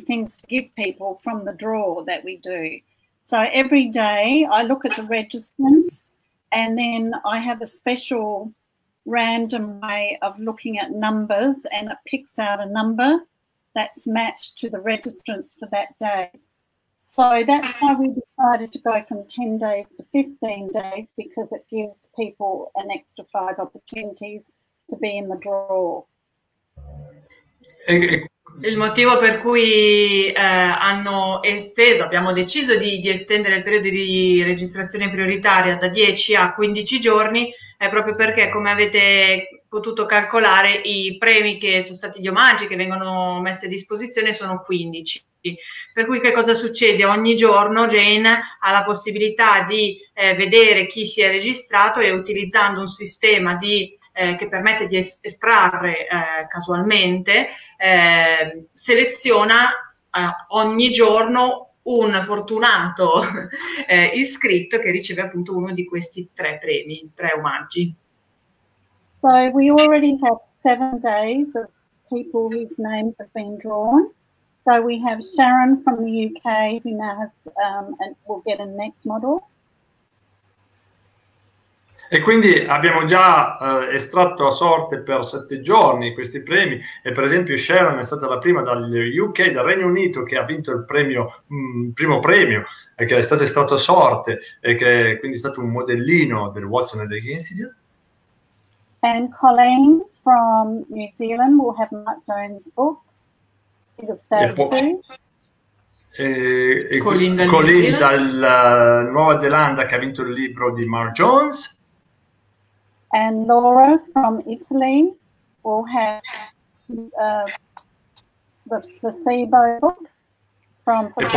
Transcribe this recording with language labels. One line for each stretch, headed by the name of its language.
English: things to give people from the draw that we do. So every day I look at the registrants, and then I have a special random way of looking at numbers, and it picks out a number that's matched to the registrants for that day. So that's why we decided to go from 10 days to 15 days, because it gives people an extra 5 opportunities to be in the draw.
Italian: Il motivo per cui abbiamo deciso di estendere il periodo di registrazione prioritaria da 10 a 15 giorni è proprio perché, come avete potuto calcolare, i premi che sono stati gli omaggi che vengono messi a disposizione sono 15. Per cui che cosa succede? Ogni giorno Jane ha la possibilità di vedere chi si è registrato, e utilizzando un sistema di che permette di estrarre casualmente, seleziona ogni giorno un fortunato iscritto che riceve appunto uno di questi 3 premi, 3 omaggi.
English: So we already have 7 days of people whose names have been drawn. So we have Sharon from the UK, who now has and will get a neck model.
Italian: E quindi abbiamo già estratto a sorte per 7 giorni questi premi, e per esempio Sharon è stata la prima dal UK, dal Regno Unito, che ha vinto il premio, primo premio, che è stato estratto a sorte, e che è quindi stato un modellino del Watson Headache Institute.
English: And Colleen from New Zealand will have Mark Jones' book.
Italian: Colleen dalla Nuova Zelanda, che ha vinto il libro di Mark Jones.
English: And Laura from Italy will have the placebo book from